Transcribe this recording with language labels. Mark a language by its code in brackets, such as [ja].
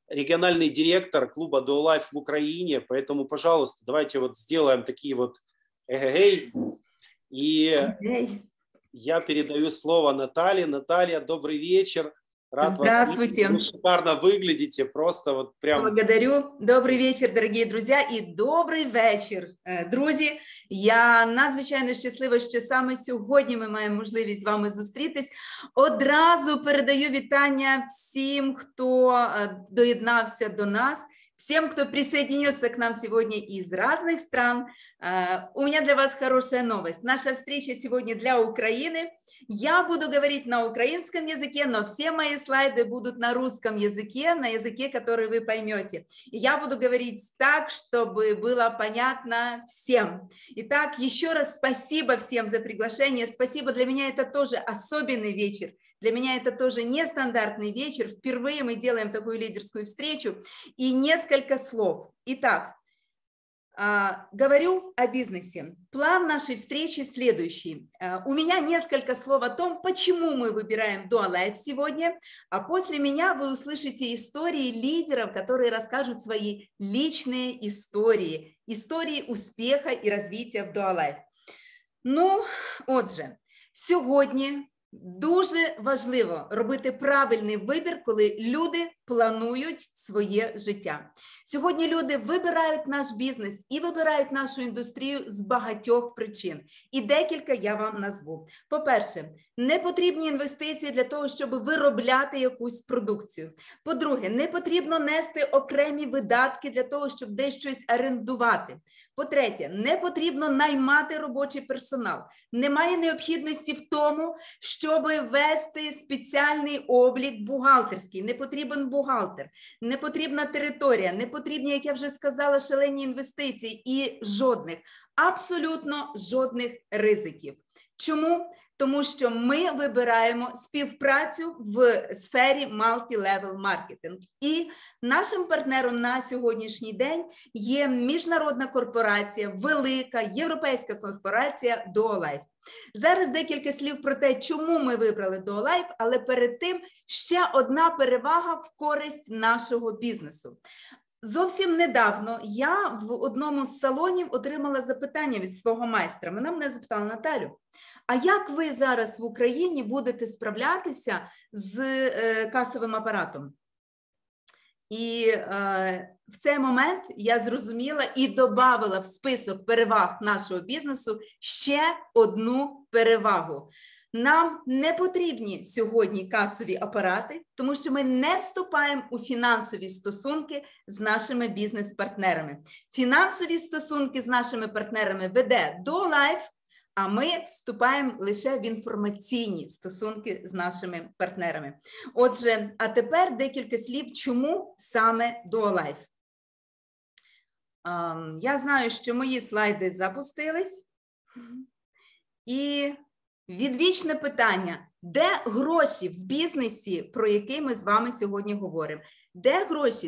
[ru] региональный директор клуба DoLife в Украине, поэтому, пожалуйста, давайте вот сделаем такие вот эгэгэй. И я передаю слово Наталье. Наталья, добрый вечер. Рад Здравствуйте. Вас видеть. Вы шикарно выглядите, просто вот прям... Благодарю. Добрый вечер, дорогие друзья, и добрый вечер, друзі. [uk] Я надзвичайно щаслива, що саме сьогодні ми маємо можливість з вами зустрітись. Одразу передаю вітання всім, хто доєднався до нас, всім, хто [ru] присоединился к нам [uk] сьогодні із різних стран. У мене для вас хороша новость. Наша встреча сьогодні для України. [ru] Я буду говорить на украинском языке, но все мои слайды будут на русском языке, на языке, который вы поймете. И я буду говорить так, чтобы было понятно всем. Итак, еще раз спасибо всем за приглашение. Спасибо, для меня это тоже особенный вечер. Для меня это тоже нестандартный вечер. Впервые мы делаем такую лидерскую встречу. И несколько слов. Итак, говорю о бизнесе. План нашей встречи следующий. У меня несколько слов о том, почему мы выбираем DoLife сегодня, а после меня вы услышите истории лидеров, которые расскажут свои личные истории, истории успеха и развития в DoLife. [uk] Ну, отже, сьогодні дуже важливо робити правильний вибір, коли люди планують своє життя. Сьогодні люди вибирають наш бізнес і вибирають нашу індустрію з багатьох причин. І декілька я вам назву. По-перше, не потрібні інвестиції для того, щоб виробляти якусь продукцію. По-друге, не потрібно нести окремі видатки для того, щоб десь щось орендувати. По-третє, не потрібно наймати робочий персонал. Немає необхідності в тому, щоб вести спеціальний облік бухгалтерський. Не потрібен бухгалтер, не потрібна територія, не потрібні, як я вже сказала, шалені інвестиції і жодних, абсолютно жодних ризиків. Чому? Тому що ми вибираємо співпрацю в сфері multi-level marketing. І нашим партнером на сьогоднішній день є міжнародна корпорація, велика європейська корпорація DoLife. Зараз декілька слів про те, чому ми вибрали DoLife, але перед тим ще одна перевага в користь нашого бізнесу. Зовсім недавно я в одному з салонів отримала запитання від свого майстра. Вона мене запитала: Наталю, а як ви зараз в Україні будете справлятися з касовим апаратом? І в цей момент я зрозуміла і додавала в список переваг нашого бізнесу ще одну перевагу. Нам не потрібні сьогодні касові апарати, тому що ми не вступаємо у фінансові стосунки з нашими бізнес-партнерами. Фінансові стосунки з нашими партнерами веде DoLife, а ми вступаємо лише в інформаційні стосунки з нашими партнерами. Отже, а тепер декілька слів, чому саме DoLife. Я знаю, що мої слайди запустились. І відвічне питання, де гроші в бізнесі, про який ми з вами сьогодні говоримо? Де гроші?